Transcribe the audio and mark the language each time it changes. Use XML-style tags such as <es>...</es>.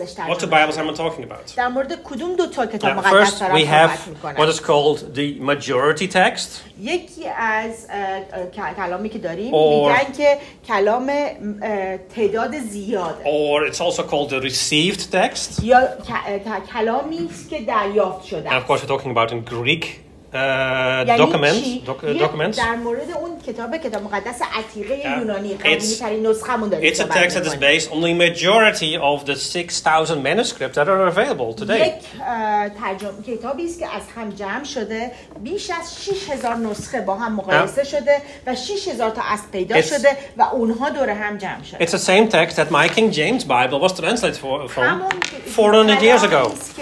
<en>what two Bibles am I talking about? Now, first, we have what is called the majority text.</en> <fa>یکی از کلامی که داریم میگن که کلام تعداد زیاده.</fa> <en>Or it's also called the received text.</en> <fa>یا کلامی است که دریافت شده.</fa> <en>And of course we're talking about in Greek documents.</en> <fa>در مورد اون کتاب مقدس عتیقه یونانی قدیمی‌ترین نسخه‌مون داریم.</fa> <en>It's a text that is based on the majority of the 6,000 manuscripts that are available today.</en> <fa>یک ترجمه کتابی است که از هم جمع شده بیش از 6,000 نسخه با هم مقایسه شده و 6,000 تا اصل پیدا شده و اونها دور هم جمع شده.</fa> <en>It's the same text that my King James Bible was translated from 400 years ago.</en>